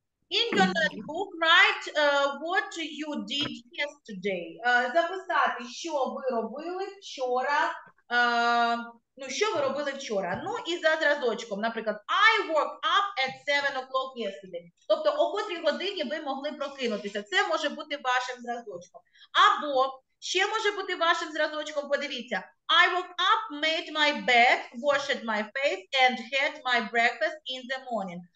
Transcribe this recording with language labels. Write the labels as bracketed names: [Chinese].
[English] In your notebook write what you did yesterday. [Ukrainian] Записати, що ви робили вчора. Ну, що ви робили вчора? Ну, і за зразочком, наприклад, [English] I woke up at 7 o'clock yesterday. [Ukrainian] Тобто, о котрій годині ви могли прокинутися. Це може бути вашим зразочком. Або, ще може бути вашим зразочком, подивіться. [English] I woke up, made my bed, washed my face and had my breakfast in the morning.